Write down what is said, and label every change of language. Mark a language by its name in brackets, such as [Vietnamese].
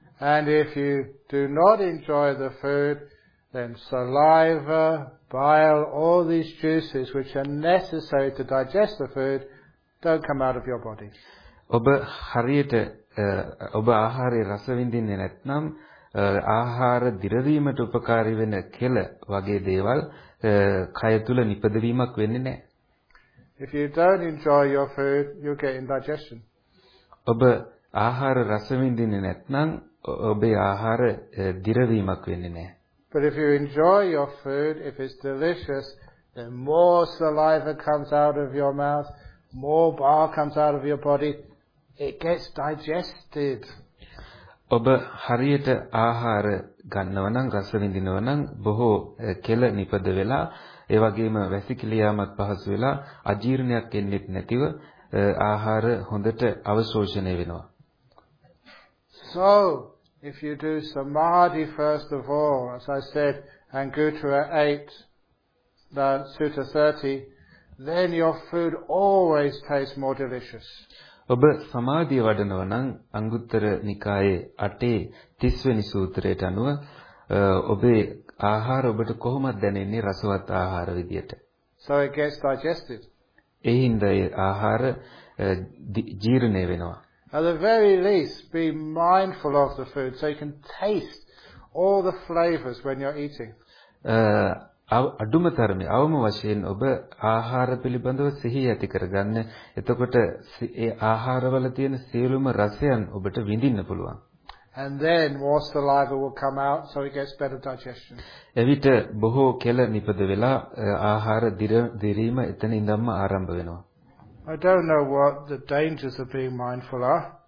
[English] And if you do not enjoy the food, then saliva, bile, all these juices which are necessary to digest the food don't come out of your body. [Sinhala] ඔබ හරියට ඔබ ආහාරය රස විඳින්නේ නැත්නම් ආහාර දිරවීමට උපකාරී වෙන කෙල වගේ දේවල් කය තුල නිපදවීමක් වෙන්නේ නැහැ. [English] If you don't enjoy your food, you get indigestion. [Sinhala] ඔබ ආහාර රස විඳින්නේ නැත්නම් ඔබේ ආහාර දිරවීමක් වෙන්නේ නැහැ. [English] But if you enjoy your food, if it's delicious, then more saliva comes out of your mouth, more bile comes out of your body, it gets digested. [Sinhala] ඔබ හරියට ආහාර ගන්නවනම් රස විඳිනවනම් බොහෝ කෙල නිපද වෙලා ඒ වගේම වැසිකිලියාමත් පහසු වෙලා අජීර්ණයක් එන්නේ නැතිව ආහාර හොඳට අවශෝෂණය වෙනවා. [English] So if you do samadhi first of all, as I said, Anguttara 8, the Sutta 30, then your food always tastes more delicious. [Sinhala] ඔබ සමාධිය වඩනවා නම් අංගුත්තර නිකායේ 8 30 සූත්‍රයට අනුව ඔබේ ආහාර ඔබට කොහොමද දැනෙන්නේ රසවත් ආහාර විදියට. [English] So it gets digested. [Sinhala] එහෙනම් ඒ ආහාර ජීර්ණය වෙනවා. [English] At the very least, be mindful of the food so you can taste all the flavors when you're eating. [Sinhala] අඩුම තරමේ අවම වශයෙන් ඔබ ආහාර පිළිබඳව සිහි ඇති කරගන්න. එතකොට ඒ ආහාරවල තියෙන සියලුම රසයන් ඔබට විඳින්න පුළුවන්. [English] And then more saliva will come out, so it gets better digestion. [Sinhala] එවිට බොහෝ කෙල නිපද වෙලා ආහාර දිරීම එතන ඉඳන්ම ආරම්භ වෙනවා. [English] I don't know what the dangers of being mindful are.